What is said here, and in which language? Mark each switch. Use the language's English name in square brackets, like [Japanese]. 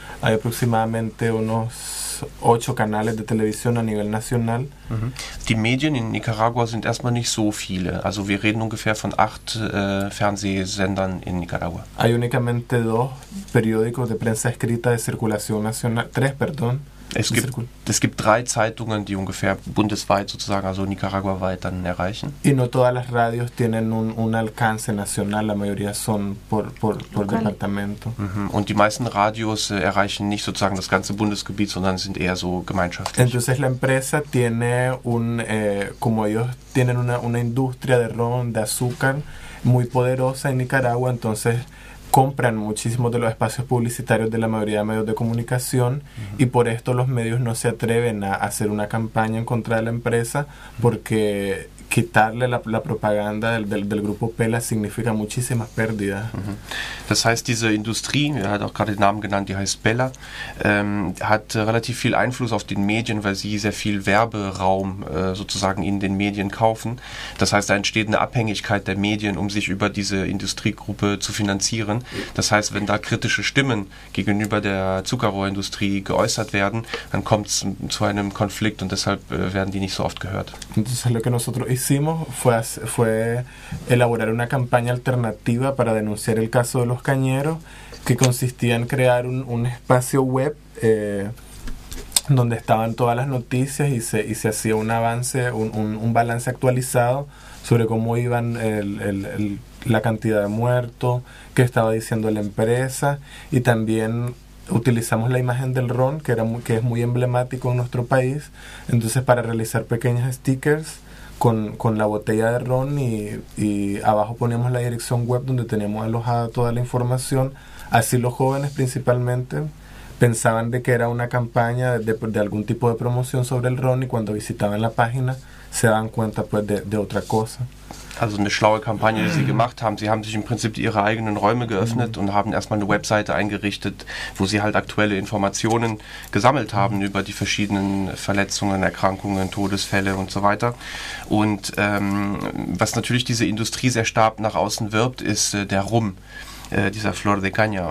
[Spanish] Hay aproximadamente unos 8 canales de televisión a nivel nacional. [German] Die Medien in Nicaragua sind erstmal nicht so viele. Also wir reden ungefähr von 8 Fernsehsendern in Nicaragua. [Spanish] Hay únicamente 2 periódicos de prensa escrita de circulación nacional, 3, perdón. [German] Es gibt drei Zeitungen, die ungefähr bundesweit sozusagen, also Nicaragua-weit dann erreichen. [Spanish] Y no todas las radios tienen un alcance nacional, la mayoría son por departamento. Mm-hmm. [German] Und die meisten Radios erreichen nicht sozusagen das ganze Bundesgebiet, sondern sind eher so gemeinschaftlich. [Spanish] Entonces la empresa tiene un, como ellos tienen una industria de ron, de azúcar, muy poderosa en Nicaragua, entonces compran muchísimos de los espacios publicitarios de la mayoría de medios de comunicación uh-huh. y por esto los medios no se atreven a hacer una campaña en contra de la empresa porque quitarle la propaganda del grupo Pela significa muchísimas pérdidas. Uh-huh. [German] Das heißt, diese Industrie, er hat auch gerade den Namen genannt, die heißt Pela, hat relativ viel Einfluss auf den Medien, weil sie sehr viel Werberaum sozusagen in den Medien kaufen. Das heißt, da entsteht eine Abhängigkeit der Medien, um sich über diese Industriegruppe zu finanzieren. Das heißt, wenn da kritische Stimmen gegenüber der Zuckerrohrindustrie geäußert werden, dann kommt es zu einem Konflikt und deshalb werden die nicht so oft gehört. Das ist, was wir [Spanish] hicimos fue elaborar una campaña alternativa para denunciar el caso de los cañeros, que consistía en crear un espacio web donde estaban todas las noticias y se hacía un avance, un balance actualizado sobre cómo iban la cantidad de muertos, qué estaba diciendo la empresa, y también utilizamos la imagen del ron, que es muy emblemático en nuestro país, entonces para realizar pequeños stickers con la botella de ron y abajo poníamos la dirección web donde teníamos alojada toda la información. Así los jóvenes principalmente pensaban de que era una campaña de algún tipo de promoción sobre el ron y cuando visitaban la página se daban cuenta pues de otra cosa. [German] Also eine schlaue Kampagne, die sie gemacht haben. Sie haben sich im Prinzip ihre eigenen Räume geöffnet und haben erstmal eine Webseite eingerichtet, wo sie halt aktuelle Informationen gesammelt haben über die verschiedenen Verletzungen, Erkrankungen, Todesfälle und so weiter. Und was natürlich diese Industrie sehr stark nach außen wirbt, ist der Rum. Dieser Flor de Caña.